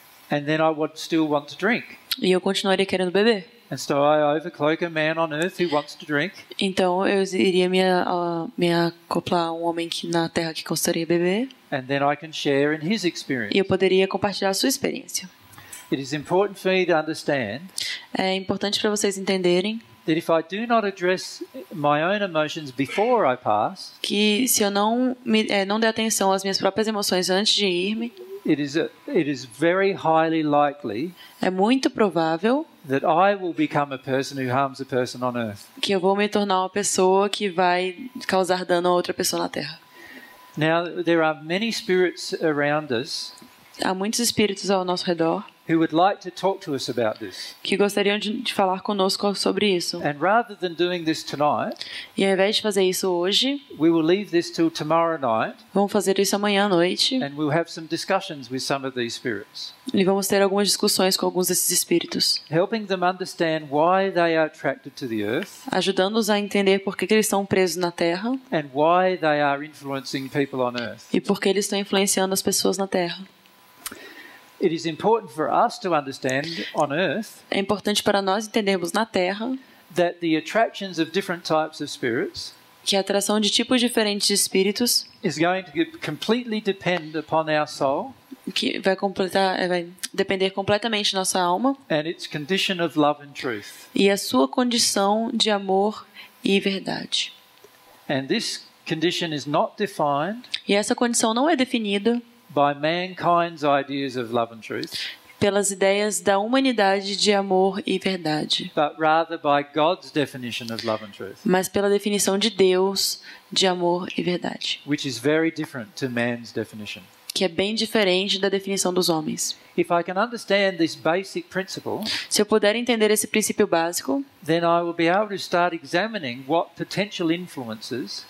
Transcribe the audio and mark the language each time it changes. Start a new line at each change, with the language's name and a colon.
English: And then I would still want to drink.
Portuguese: E eu continuaria querendo beber.
English: And so I overcloak a man on earth who wants to drink.
Portuguese: Então eu iria me acoplar a um homem que na Terra que gostaria de beber.
English: And then I can share in his experience.
Portuguese: E eu poderia compartilhar a sua experiência.
English: It is important for me to understand.
Portuguese: É importante para vocês entenderem.
English: That if I do not address my own emotions before I pass.
Portuguese: Que se eu não não der atenção às minhas próprias emoções antes de ir-me.
English: It is very highly likely.
Portuguese: É muito provável.
English: That I will become a person who harms a person on earth.
Portuguese: Que eu vou me tornar uma pessoa que vai causar dano a outra pessoa na Terra.
English: Now there are many spirits around us.
Portuguese: Há muitos espíritos ao nosso redor.
English: Who would like to talk to us about this?
Portuguese: Que gostariam de falar conosco sobre isso.
English: And rather than doing this tonight.
Portuguese: E ao invés de fazer isso hoje.
English: We will leave this till tomorrow night.
Portuguese: Vamos fazer isso amanhã à noite.
English: And we'll have some discussions with some of these spirits.
Portuguese: E vamos ter algumas discussões com alguns desses espíritos.
English: Helping them understand why they are attracted to the earth.
Portuguese: Ajudando-os a entender por que eles estão presos na Terra.
English: And why they are influencing people on earth.
Portuguese: E por que eles estão influenciando as pessoas na Terra.
English: It is important for us to understand on earth.
Portuguese: É importante para nós entendermos na Terra.
English: That the attractions of different types of spirits.
Portuguese: Que a atração de tipos diferentes de espíritos.
English: Is going to completely depend upon our soul.
Portuguese: que vai completar, vai depender completamente nossa alma.
English: And its condition of love and truth.
Portuguese: E a sua condição de amor e verdade.
English: And this condition is not defined.
Portuguese: E essa condição não é definida.
English: By mankind's ideas of love and truth.
Portuguese: Pelas ideias da humanidade de amor e verdade.
English: But rather by God's definition of love and truth.
Portuguese: Mas pela definição de Deus de amor e verdade.
English: Which is very different to man's definition.
Portuguese: Que é bem diferente da definição dos homens.
English: If I can understand this basic principle,
Portuguese: se eu puder entender esse princípio básico,
English: then I will be able to start examining what potential influences.